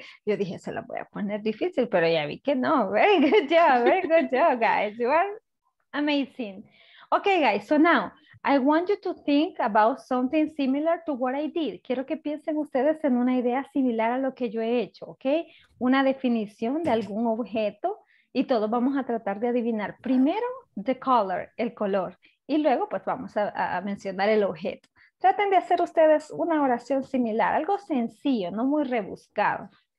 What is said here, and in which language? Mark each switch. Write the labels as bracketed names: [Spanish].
[Spanish] Yo dije, se la voy a poner difícil, pero ya vi que no. [English] Very good job, guys. You are amazing. Okay, guys. So now, I want you to think about something similar to what I did. [Spanish] Quiero que piensen ustedes en una idea similar a lo que yo he hecho, okay? Una definición de algún objeto y todos vamos a tratar de adivinar. Primero, [English] the color, [Spanish] el color. Y luego, pues vamos a mencionar el objeto. Traten de hacer ustedes una oración similar, algo sencillo, no muy rebuscado.